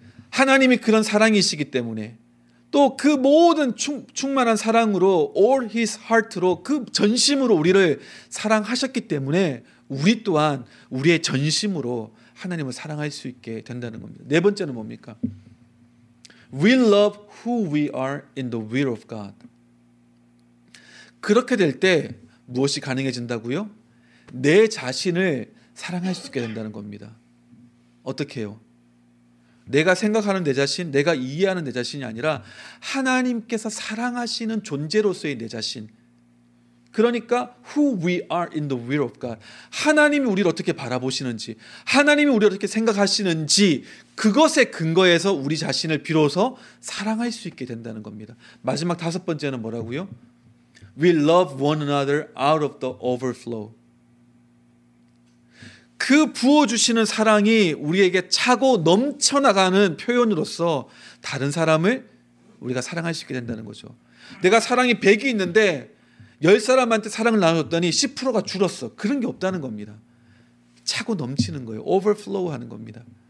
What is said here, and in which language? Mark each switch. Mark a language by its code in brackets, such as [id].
[ko] 하나님이 그런 사랑이시기 때문에 또 그 모든 충만한 사랑으로 [en] all his heart [ko] 로 그 전심으로 우리를 사랑하셨기 때문에 우리 또한 우리의 전심으로 하나님을 사랑할 수 있게 된다는 겁니다. 네 번째는 뭡니까? [en] We love who we are in the will of God. [ko] 그렇게 될 때 무엇이 가능해진다고요? 내 자신을 사랑할 수 있게 된다는 겁니다. 어떻게 해요? 내가 생각하는 내 자신, 내가 이해하는 내 자신이 아니라 하나님께서 사랑하시는 존재로서의 내 자신. 그러니까 [en] who we are in the will of God. [ko] 하나님이 우리를 어떻게 바라보시는지, 하나님이 우리를 어떻게 생각하시는지 그것에 근거해서 우리 자신을 비로소 사랑할 수 있게 된다는 겁니다. 마지막 다섯 번째는 뭐라고요? [en] We love one another out of the overflow. [ko] 그 부어주시는 사랑이 우리에게 차고 넘쳐나가는 표현으로서 다른 사람을 우리가 사랑할 수 있게 된다는 거죠. 내가 사랑이 100이 있는데 10사람한테 사랑을 나눴더니 10%가 줄었어. 그런 게 없다는 겁니다. 차고 넘치는 거예요. Overflow 하는 겁니다.